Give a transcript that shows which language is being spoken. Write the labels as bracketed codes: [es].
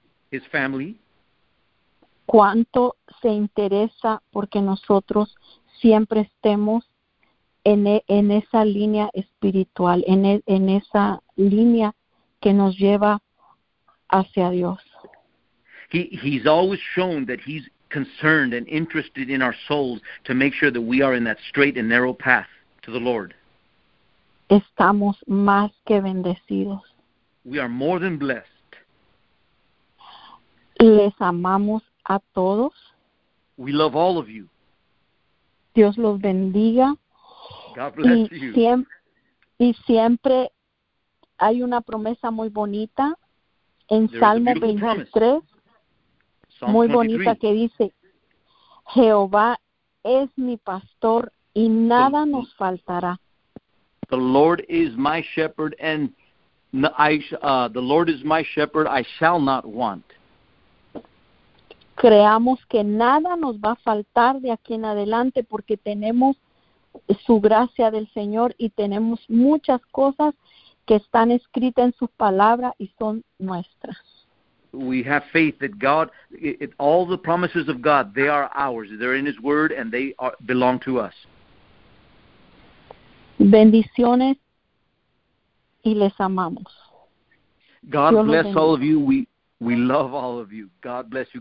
[en] His family. [es] Cuánto se interesa porque nosotros siempre estemos en esa línea espiritual, en esa línea que nos lleva hacia Dios. [en] He's always shown that he's concerned and interested in our souls to make sure that we are in that straight and narrow path to the Lord. [es] Estamos más que bendecidos. [en] We are more than blessed. [es] Les amamos a todos. [en] We love all of you. [es] Dios los bendiga. [en] God bless you. [es] Y siempre hay una promesa muy bonita en Salmo 23, muy bonita, que dice: Jehová es mi pastor y nada nos faltará. [en] The Lord is my shepherd and the Lord is my shepherd, I shall not want. [es] Creamos que nada nos va a faltar de aquí en adelante porque tenemos su gracia del Señor y tenemos muchas cosas que están escritas en su palabra y son nuestras. [en] We have faith that God, all the promises of God, they are ours. They're in his word and they belong to us. [es] Bendiciones y les amamos. [en] God bless all of you. We We love all of you. God bless you.